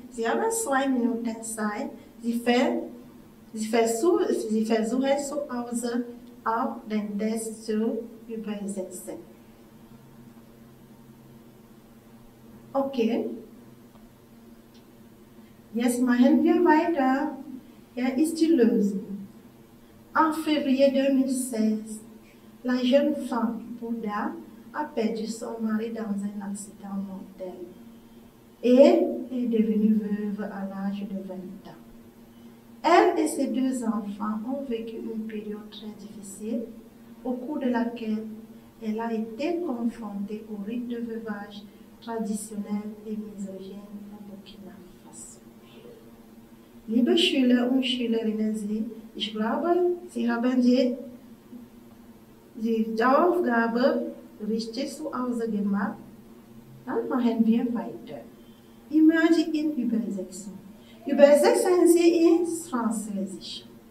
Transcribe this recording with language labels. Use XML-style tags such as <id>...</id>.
<de>Sie haben 2 Minuten Zeit. Sie versuchen zu Hause auch den Test zu übersetzen. Okay. Jetzt machen wir weiter. Hier ist die Lösung.</de> <fr>En février 2016, la jeune femme Bouddha a perdu son mari dans un accident mortel et est devenue veuve à l'âge de 20 ans. Elle et ses 2 enfants ont vécu une période très difficile au cours de laquelle elle a été confrontée au rite de veuvage traditionnel et misogyne au Burkina Faso.</fr> <de>Liebe Schüler und Schülerinnen, ich glaube, Sie haben die Aufgabe richtig zu Hause gemacht. Dann machen wir weiter. Image in Übersetzung. Übersetzen Sie ins Französisch.</de>